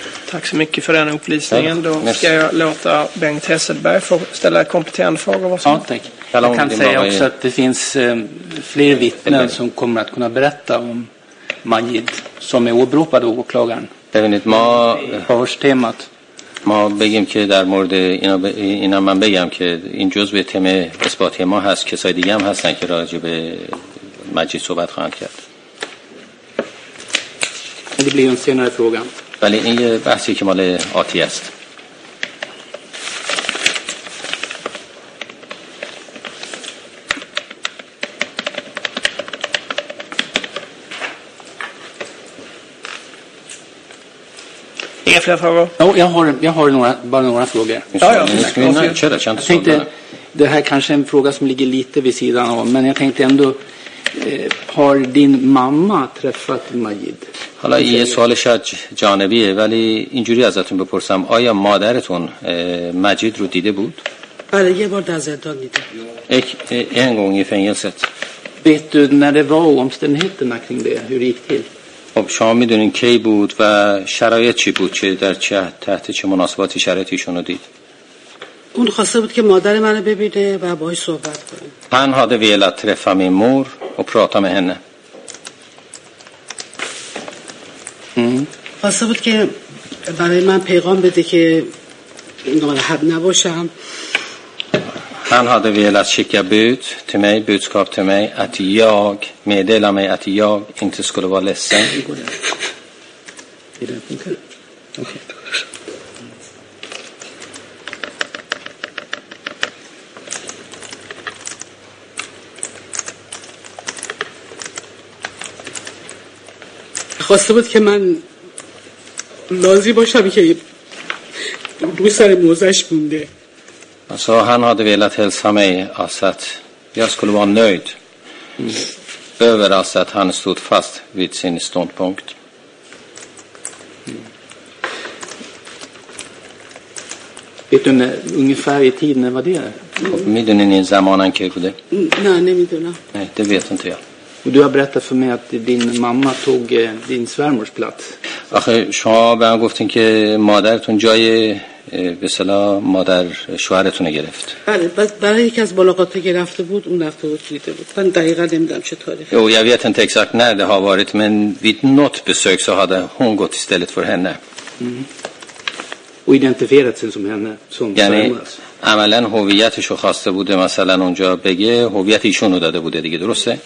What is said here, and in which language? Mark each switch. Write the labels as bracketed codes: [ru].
[sv] Tack så mycket för den upplysningen. Då ska jag låta Bengt Hesselberg få ställa kompletterande frågor. Ja, tack. Jag kan säga också att det finns fler vittnen som kommer att kunna berätta om Majid som är åberopad av åklagaren. [fa] ببینید ما هاشتمات ما بگیم که در مورد اینا من بگم که این جزء به تم اثباتی ما هست کسای دیگه هم هستن که راجع به مجید صحبت خواهند کرد. [sv] Det blir en senare fråga. [fa] بله این یه بحثی که مال آتی است. [sv] Ja, jag har några frågor. Jag tänkte, det här kanske är en fråga som ligger lite vid sidan av, men jag tänkte ändå, har din mamma träffat Majid? [fa] حالا یه سوال شاید جانبیه ولی اینجوری ازتون بپرسم آیا مادرتون مجید رو دیده بود؟ بله یه بار در زندان دیده. [sv] En gång i fängelset. Vet du när det var omständigheterna kring det, hur gick till? [fa] خب شما میدونین کی بود و شرایط چی بود چه در چه تحت چه مناسباتی شرایطیشون رو دید؟ اون خواسته بود که مادر منو ببینه و باهاش صحبت کنه. [sv] Han hade velat träffa min mor och prata med henne. [fa] خواسته بود که برای من پیغام بده که ناراحت نباشم. [sv] Han hade velat skicka bud till mig, budskap till mig, att jag meddelar mig att jag inte skulle vara ledsen. [fa] خواسته بود که من راضی باشم که روی سر موزش مونده. [sv] Alltså han hade velat hälsa mig alltså att jag skulle vara nöjd över alltså att han stod fast vid sin ståndpunkt. Vet du ungefär i tiden var det? Middagen är i zamanen kekude. Nej, det vet inte jag. Och du har berättat för mig att din mamma tog din svärmors plats. [fa] آخه شما به من گفتین که مادرتون جای به اصطلاح مادر شوهرتون گرفت. بله برای یکی از ملاقات گرفته بود اون رفته بود دیده بود. من دقیقا نمیدونم چه تاریخی. [sv] Jag vet inte exakt när det har varit men vid något besök så hade hon gått istället för henne. Och identifierat sig som henne som [fa] یعنی عملا هویتش رو خواسته بوده مثلا اونجا بگه هویت ایشون رو داده بوده دیگه درسته؟